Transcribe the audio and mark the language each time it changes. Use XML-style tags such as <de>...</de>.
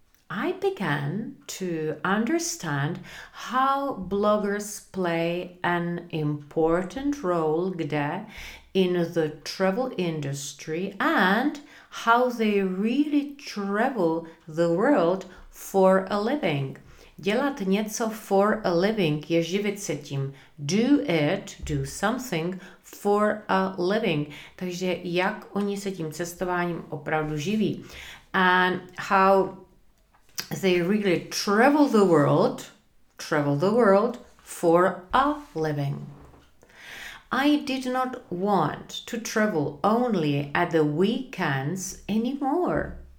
<en>I began to understand how bloggers play an important role,</en> <cs>kde,</cs> <en>in the travel industry and how they really travel the world for a living.</en> <cs>Dělat něco</cs> <en>for a living</en> <cs>je živit se tím.</cs> <en>Do it, do something for a living.</en> <cs>Takže jak oni se tím cestováním opravdu živí.</cs> <en>And how they really travel the world for a living. I did not want to travel only at the weekends anymore.</en>